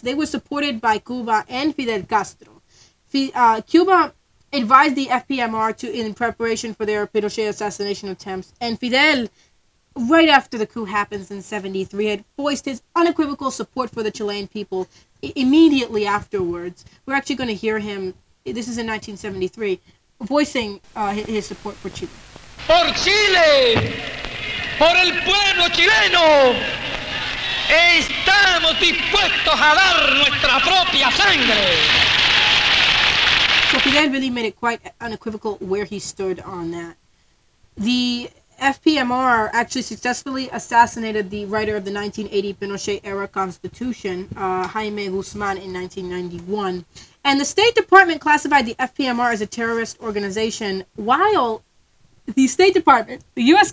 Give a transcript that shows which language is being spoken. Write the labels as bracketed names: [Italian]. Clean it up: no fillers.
[English] They were supported by Cuba and Fidel Castro. Cuba advised the FPMR to in preparation for their Pinochet assassination attempts, and Fidel, right after the coup happens in 1973, had voiced his unequivocal support for the Chilean people immediately afterwards. We're actually going to hear him, this is in 1973, voicing his support for Chile. [Spanish] Por Chile, por el pueblo chileno, estamos dispuestos a dar nuestra propia sangre. [English] So Fidel really made it quite unequivocal where he stood on that. The FPMR actually successfully assassinated the writer of the 1980 Pinochet-era constitution, Jaime Guzman, in 1991. And the State Department classified the FPMR as a terrorist organization, while the State Department, the U.S.